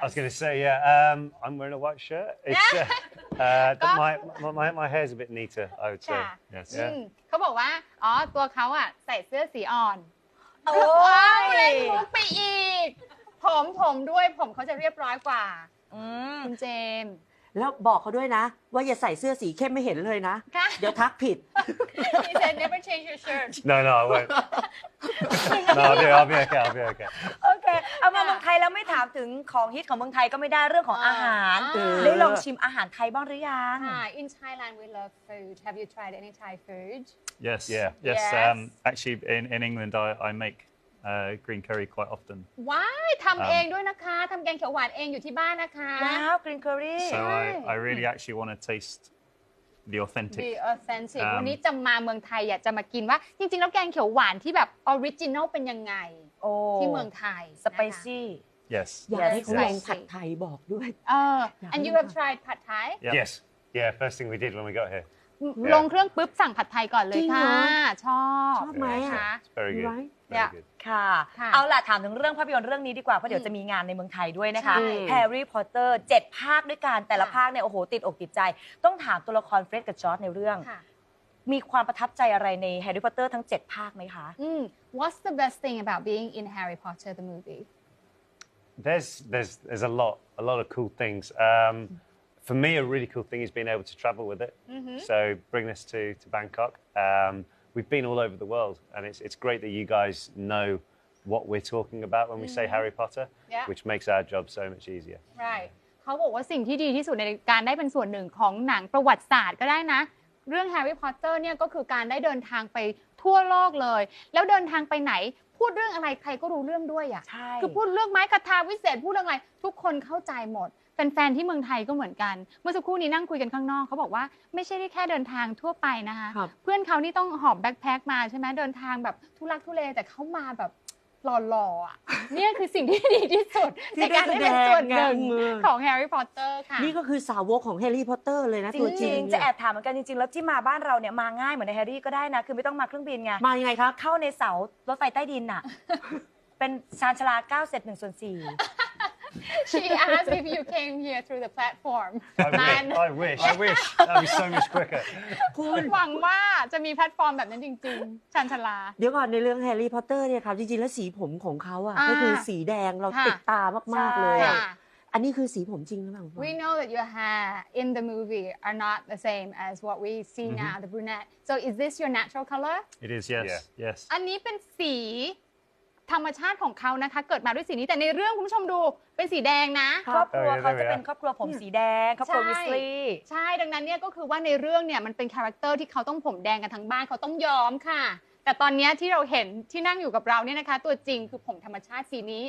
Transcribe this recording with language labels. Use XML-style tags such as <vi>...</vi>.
<en>I was going to say yeah I'm wearing a white shirt it'sMy hair's a bit neater, I would say. Yes.</en> <th>เขาบอกว่าอ๋อตัวเขาอ่ะใส่เสื้อสีอ่อน โอ้ย เล่นมุกไปอีกผมด้วยผมเขาจะเรียบร้อยกว่าคุณเจม แล้วบอกเขาด้วยนะว่าอย่าใส่เสื้อสีเข้มไม่เห็นเลยน ะ เดี๋ยวทักผิด</th> <en>He said never change your shirt. No, I won't. No, I'll be okay.</en> <th>เอามาเมืองไทยแล้วไม่ถามถึงของฮิตของเมืองไทยก็ไม่ได้เรื่องของอาหารได้ลองชิมอาหารไทยบ้างหรือยัง</th> <en>In Thailand we love food. Have you tried any Thai food? Yes. Actually in England I make green curry quite often. Why?</en> <th>ทำเองด้วยนะคะทำแกงเขียวหวานเองอยู่ที่บ้านนะคะ</th> <en>Wow, green curry. So I really actually want to taste the authentic. The authentic.</en> <th>วันนี้จะมาเมืองไทยอยากจะมากินว่าจริงๆแล้วแกงเขียวหวานที่แบบออริจินอลเป็นยังไงที่เมืองไทย สเปซี่</th> <en>yes</en> <th>อยากให้คุณลองผัดไทยบอกด้วย</th> <en>and you have tried ผัดไทย yes yeah first thing we did when we got here</en> <th>ลงเครื่องปุ๊บสั่งผัดไทยก่อนเลยค่ะชอบ ไหมคะ</th> <en>very good</en> <th>ค่ะเอาล่ะถามถึงเรื่องภาพยนตร์เรื่องนี้ดีกว่าเพราะเดี๋ยวจะมีงานในเมืองไทยด้วยนะคะ Harry Potter 7ภาคด้วยกันแต่ละภาคเนี่ยโอ้โหติดอกติดใจต้องถามตัวละครเฟร็ดกับจอร์จในเรื่องมีความประทับใจอะไรในแฮร์รี่พอตเตอร์ทั้ง7ภาคไหมคะ</th> <en>What's the best thing about being in Harry Potter the movie? There's a lot of cool things. For me, a really cool thing is being able to travel with it. Mm-hmm. So bring this to Bangkok. We've been all over the world, and it's great that you guys know what we're talking about when we mm-hmm. say Harry Potter, yeah. which makes our job so much easier. Right.</en> <th>เขาบอกว่าสิ่งที่ดีที่สุดในการได้เป็นส่วนหนึ่งของหนังประวัติศาสตร์ก็ได้นะเรื่องแฮร์รี่พอตเตอร์เนี่ยก็คือการได้เดินทางไปทั่วโลกเลยแล้วเดินทางไปไหนพูดเรื่องอะไรใครก็รู้เรื่องด้วยอ่ะ ใช่ คือพูดเรื่องไม้คาถาวิเศษพูดเรื่องอะไรทุกคนเข้าใจหมดแฟนๆที่เมืองไทยก็เหมือนกันเมื่อสักครู่นี้นั่งคุยกันข้างนอกเขาบอกว่าไม่ใช่แค่เดินทางทั่วไปนะคะเพื่อนเขานี่ต้องหอบแบ็คแพ็คมาใช่ไหมเดินทางแบบทุลักทุเลแต่เขามาแบบหล่อๆอ่ะนี่คือสิ่งที่ดีที่สุดในการได้เป็นส่วนหนึ่งของแฮร์รี่พอตเตอร์ค่ะ นี่ก็คือสาวกของแฮร์รี่พอตเตอร์เลยนะตัวจริง จะแอบถามเหมือนกันจริงๆแล้วที่มาบ้านเราเนี่ยมาง่ายเหมือนในแฮร์รี่ก็ได้นะคือไม่ต้องมาเครื่องบินไง มายังไงครับ เข้าในเสารถไฟใต้ดินน่ะเป็นชานชาลา9 1/4</th> <en>She asked if you came here through the platform. I wish. That would be so much quicker.</en> <th>คุณหวังว่าจะมีแพลตฟอร์มแบบนั้นจริงๆชันชลา เดี๋ยวก่อนในเรื่องแฮร์รี่พอตเตอร์เนี่ยครับจริงๆแล้วสีผมของเขาอ่ะก็คือสีแดงเราติดตามากๆเลยอันนี้คือสีผมจริงหรือเปล่า</th> <en>We know that your hair in the movie are not the same as what we see now, the brunette. So is this your natural color? It is, yes. Yeah. Yes.</en> <th>อันนี้เป็นสีธรรมชาติของเขานะคะเกิดมาด้วยสีนี้แต่ในเรื่องคุณผู้ชมดูเป็นสีแดงนะ ครอบครัวเขาจะเป็นครอบครัวผมสีแดงครอบครัววิสลี ย์ใช่ดังนั้นเนี่ยก็คือว่าในเรื่องเนี่ยมันเป็นคาแรคเตอร์ที่เขาต้องผมแดงกันทั้งบ้านเขาต้องยอมค่ะแต่ตอนนี้ที่เราเห็นที่นั่งอยู่กับเราเนี่ยนะคะตัวจริงคือผมธรรมชาติสีนี</th>